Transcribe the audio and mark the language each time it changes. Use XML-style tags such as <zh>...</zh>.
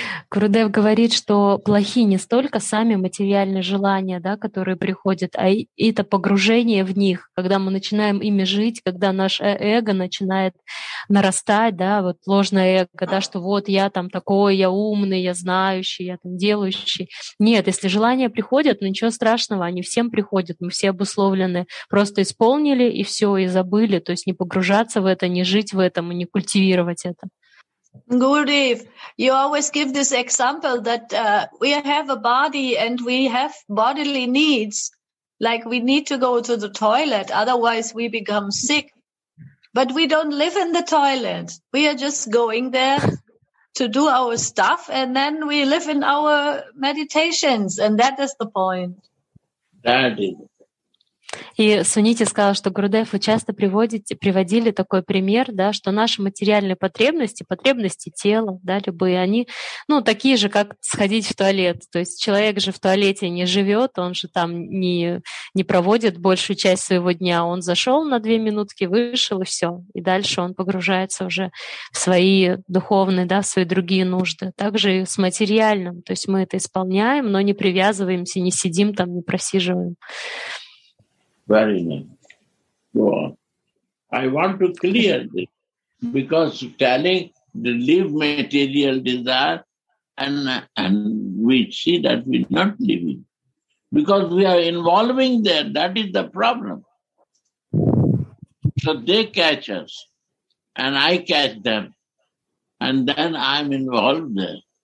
<ru>Гурудев говорит, что плохи не столько сами материальные желания, да, которые приходят, а это погружение в них, когда мы начинаем ими жить, когда наше эго начинает нарастать, да, вот ложное эго, да, что вот я там такой, я умный, я знающий, я там делающий. Нет, если желания приходят, ну ничего страшного, они всем приходят, мы все обусловлены, просто исполнили и все, и забыли, то есть не погружаться в это, не жить в этом и не культивировать это.</ru> <en>Gurudev, you always give this example that we have a body and we have bodily needs, like we need to go to the toilet, otherwise we become sick. But we don't live in the toilet. We are just going there to do our stuff and then we live in our meditations. And that is the point. That is.</en> <ru>И Сунити сказал, что Гурудев, вы часто приводили такой пример, да, что наши материальные потребности, потребности тела, да, любые, они ну, такие же, как сходить в туалет. То есть человек же в туалете не живет, он же там не проводит большую часть своего дня. Он зашел на 2 минутки, вышел, и все. И дальше он погружается уже в свои духовные, да, в свои другие нужды. Также и с материальным. То есть мы это исполняем, но не привязываемся, не сидим там, не просиживаем.</ru> <en>Very nice. Go on. I want to clear this because telling to leave material desire and we see that we're not living. Because we are involving there, that is the problem. So they catch us and I catch them and then I'm involved there.</en>